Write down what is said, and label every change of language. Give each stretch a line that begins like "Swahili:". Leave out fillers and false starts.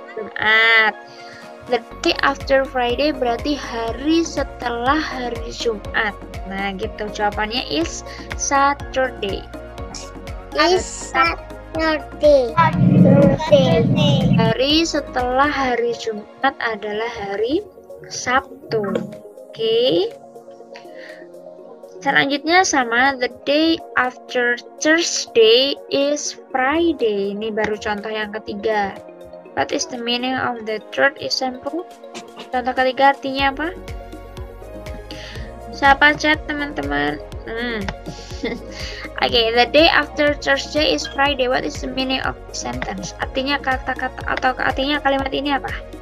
Indonesian: Jumat.
English: The day after Friday
Indonesian: berarti hari setelah hari Jumat. Nah, gitu jawabannya
English: is Saturday. Is Saturday. Saturday.
Indonesian: Hari setelah hari Jumat adalah hari Sabtu. Oke. Okay. Selanjutnya sama
English: the day after Thursday is Friday.
Indonesian: Ini baru contoh yang ketiga.
English: What is the meaning of the third example?
Indonesian: Contoh ketiga artinya apa? Siapa chat teman-teman? Oke,
English: okay, the day after Thursday is Friday. What is the meaning of the sentence?
Indonesian: Artinya kata-kata atau artinya kalimat ini apa?